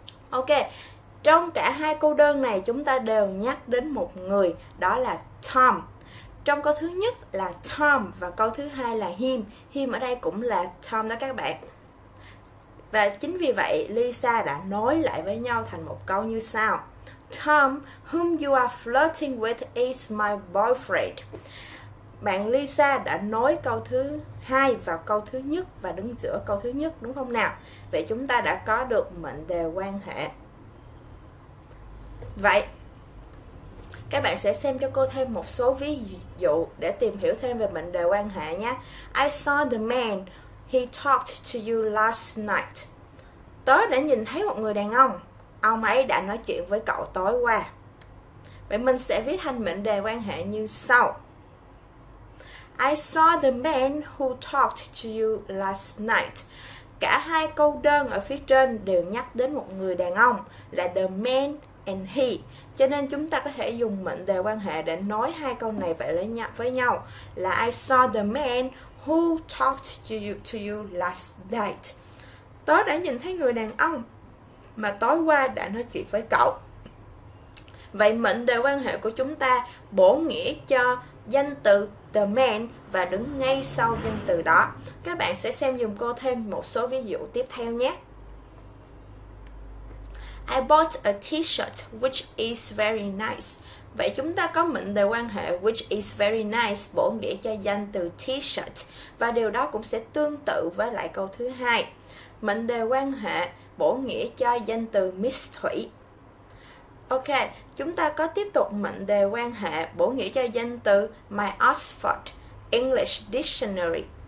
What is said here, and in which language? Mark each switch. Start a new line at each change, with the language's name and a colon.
Vietnamese: Ok, trong cả hai câu đơn này chúng ta đều nhắc đến một người, đó là Tom. Trong câu thứ nhất là Tom và câu thứ hai là him. Him ở đây cũng là Tom đó các bạn. Và chính vì vậy, Lisa đã nối lại với nhau thành một câu như sau.
English: Tom, whom you are flirting with is my boyfriend.
Vietnamese: Bạn Lisa đã nối câu thứ hai vào câu thứ nhất và đứng giữa câu thứ nhất đúng không nào? Vậy chúng ta đã có được mệnh đề quan hệ. Vậy các bạn sẽ xem cho cô thêm một số ví dụ để tìm hiểu thêm về mệnh đề quan hệ nhé.
English: I saw the man he talked to you last night.
Vietnamese: Tớ đã nhìn thấy một người đàn ông. Ông ấy đã nói chuyện với cậu tối qua. Vậy mình sẽ viết thành mệnh đề quan hệ như sau.
English: I saw the man who talked to you last night.
Vietnamese: Cả hai câu đơn ở phía trên đều nhắc đến một người đàn ông là
English: the man and he.
Vietnamese: Cho nên chúng ta có thể dùng mệnh đề quan hệ để nói hai câu này vậy lấy nhau với nhau là
English: I saw the man who talked to you last night.
Vietnamese: Tớ đã nhìn thấy người đàn ông mà tối qua đã nói chuyện với cậu. Vậy mệnh đề quan hệ của chúng ta bổ nghĩa cho danh từ the man và đứng ngay sau danh từ đó. Các bạn sẽ xem giùm cô thêm một số ví dụ tiếp theo nhé.
English: I bought a t-shirt which is very nice.
Vietnamese: Vậy chúng ta có mệnh đề quan hệ
English: which is very nice
Vietnamese: bổ nghĩa cho danh từ t-shirt và điều đó cũng sẽ tương tự với lại câu thứ hai. Mệnh đề quan hệ bổ nghĩa cho danh từ Miss Thủy. Ok, chúng ta có tiếp tục mệnh đề quan hệ bổ nghĩa cho danh từ My Oxford English Dictionary.